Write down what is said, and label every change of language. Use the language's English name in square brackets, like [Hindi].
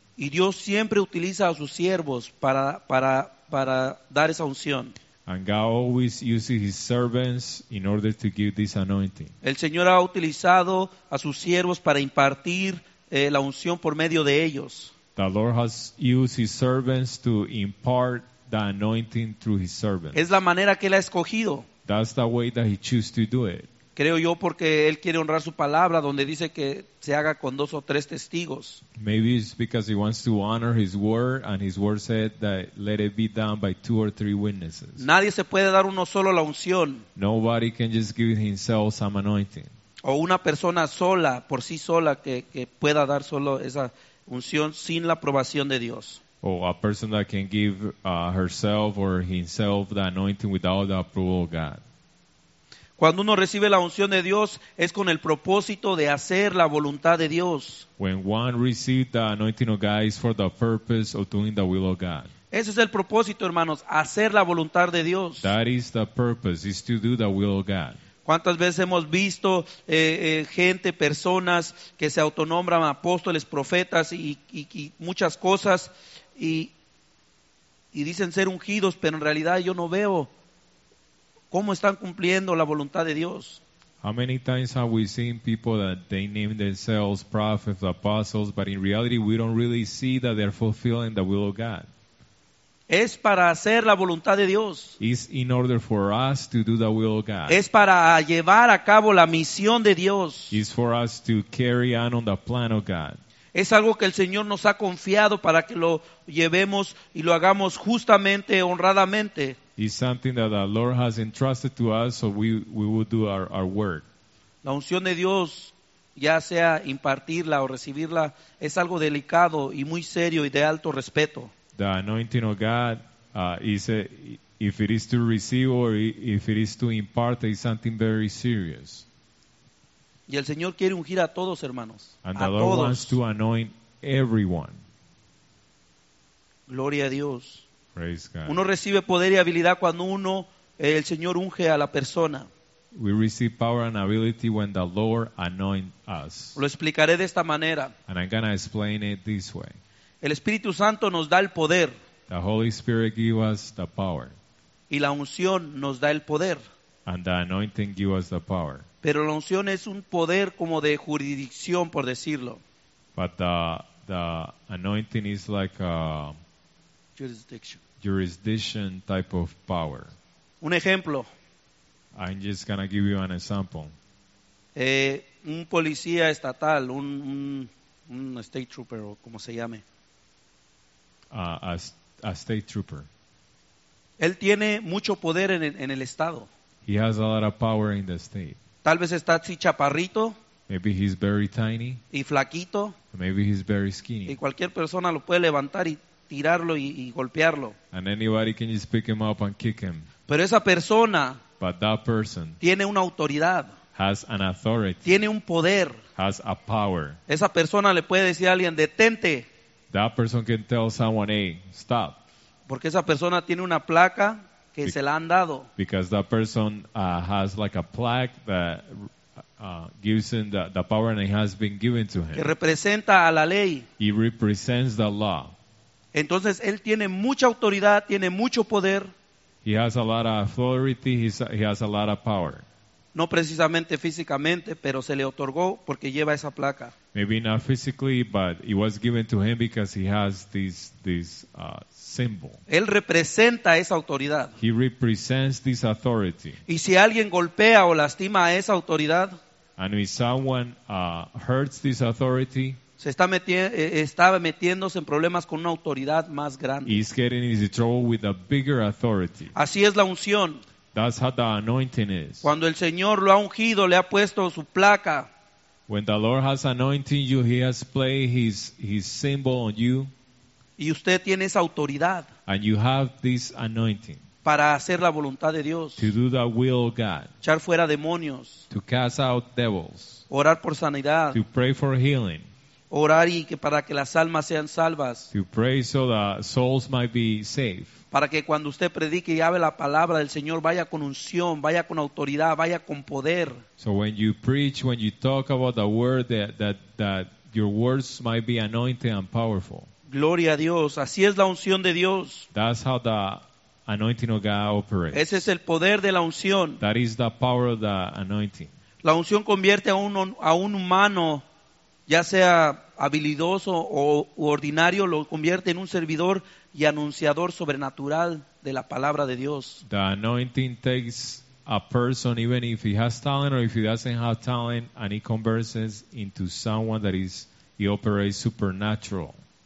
[Spanish] Y Dios siempre utiliza a sus siervos para dar esa unción. [English] And God always uses his servants in order to give this anointing. [Spanish] El Señor ha utilizado a sus siervos para impartir la unción por medio de ellos. [English] The Lord has used his servants to impart the anointing through his servants. [Spanish] Es la manera que él ha escogido. [English] That's the way that he chooses to do it. [Spanish] Creo yo porque él quiere honrar su palabra donde dice que se haga con dos o tres testigos. [English] Maybe it's because he wants to honor his word and his word said that let it be done by two or three witnesses. [Spanish] Nadie se puede dar uno solo la unción. [English] Nobody can just give himself some anointing. [Spanish] O una persona sola, por sí sola, que pueda dar solo esa unción sin la aprobación de Dios. [English] A person that can give herself or himself the anointing without the approval of God. [Spanish] Cuando uno recibe la unción de Dios es con el propósito de hacer la voluntad de Dios. [English] When one receives the anointing of God is for the purpose of doing the will of God. [Spanish] Ese es el propósito, hermanos, hacer la voluntad de Dios. [English] That is the purpose, is to do the will of God. [Spanish] ¿Cuántas veces hemos visto gente, personas que se autonombran apóstoles, profetas y muchas cosas y dicen ser ungidos, pero en realidad yo no veo cómo están cumpliendo la voluntad de Dios? [English] How many times have we seen people that they name themselves prophets, apostles, but in reality we don't really see that they're fulfilling the will of God? [Spanish] Es para hacer la voluntad de Dios. [English] It's in order for us to do the will of God. [Spanish] Es para llevar a cabo la misión de Dios. [English] It's for us to carry on the plan of God. [Spanish] Es algo que el Señor nos ha confiado para que lo llevemos y lo hagamos justamente, honradamente. [English] It's something that the Lord has entrusted to us so we will do our work. [Spanish] La unción de Dios, ya sea impartirla o recibirla, es algo delicado y muy serio y de alto respeto. [English] The anointing of God, if it is to receive or if it is to impart, is something very serious. [Spanish] Y el Señor quiere ungir a todos, hermanos. [English] And the Lord wants to anoint everyone. [Spanish] Gloria a Dios. [English] Praise God. [Spanish] Uno recibe poder y habilidad cuando uno, el Señor unge a la persona. [English] We receive power and ability when the Lord anoints us. [Spanish] Lo explicaré de esta manera. [English] And I'm going to explain it this way. [Spanish] El Espíritu Santo nos da el poder. [English] The Holy Spirit gives us the power. [Spanish] Y la unción nos da el poder. [English] And the anointing gives us the power. [Spanish] Pero la unción es un poder como de jurisdicción, por decirlo. [English] But the anointing is like a jurisdiction type of power. [Spanish] Un ejemplo. [English] I'm just going to give you an example. [Spanish] Un policía estatal, un [English] state trooper [Spanish] o como se llame. [English] A state trooper. [Spanish] Él tiene mucho poder en el estado. [English] He has a lot of power in the state. [Spanish] Tal vez está así chaparrito. [English] Maybe he's very tiny. [Spanish] Y flaquito. [English] Maybe he's very skinny. [Spanish] Y cualquier persona lo puede levantar y tirarlo y golpearlo. [English] And anybody can just pick him up and kick him. [Spanish] Pero esa persona. [English] But that person. [Spanish] Tiene una autoridad. [English] Has an authority. [Spanish] Tiene un poder. [English] Has a power. [Spanish] Esa persona le puede decir a alguien, detente. [English] That person can tell someone, hey, stop. [Spanish] Porque esa persona tiene una placa que se la han dado. [English] Because that person has like a plaque that gives him the power and it has been given to him. [Spanish] Que representa a la ley. [English] He represents the law. [Spanish] Entonces, él tiene mucha autoridad, tiene mucho poder. [English] He has a lot of authority, he has a lot of power. [Spanish] no precisamente físicamente, pero se le otorgó porque lleva esa placa. [English] Maybe not physically, but it was given to him because he has this symbol. [Spanish] Él representa esa autoridad. [English] He represents this authority. [Spanish] Y si alguien golpea o lastima a esa autoridad, [English] and if someone hurts this authority, [Spanish] se está metiéndose en problemas con una autoridad más grande. [English] He's getting into trouble with a bigger authority. [Spanish] Así es la unción. [English] That's how the anointing is. [Spanish] Cuando el Señor lo ha ungido, le ha puesto su placa. [English] When the Lord has anointed you, he has placed his symbol on you. [Spanish] Y usted tiene esa autoridad. [English] And you have this anointing. [Spanish] Para hacer la voluntad de Dios. [English] To do the will of God. [Spanish] Echar fuera demonios. [English] To cast out devils. [Spanish] Orar por sanidad. [English] To pray for healing. [Spanish] Orar y que para que las almas sean salvas. [English] To pray so the souls might be safe. [Spanish] Para que cuando usted predique y hable la palabra del Señor, vaya con unción, vaya con autoridad, vaya con poder. [English] So when you preach, when you talk about the word, that your words might be anointed and powerful. [Spanish] Gloria a Dios. Así es la unción de Dios. [English] That's how the anointing of God operates. [Spanish] Ese es el poder de la unción. [English] That is the power of the anointing. [Spanish] La unción convierte a un humano, ya sea habilidoso o ordinario, lo convierte en un servidor y anunciador sobrenatural de la palabra de Dios. [English] The anointing takes a person, even if he has talent or if he doesn't have talent, and he converses into someone that is, he operates supernatural.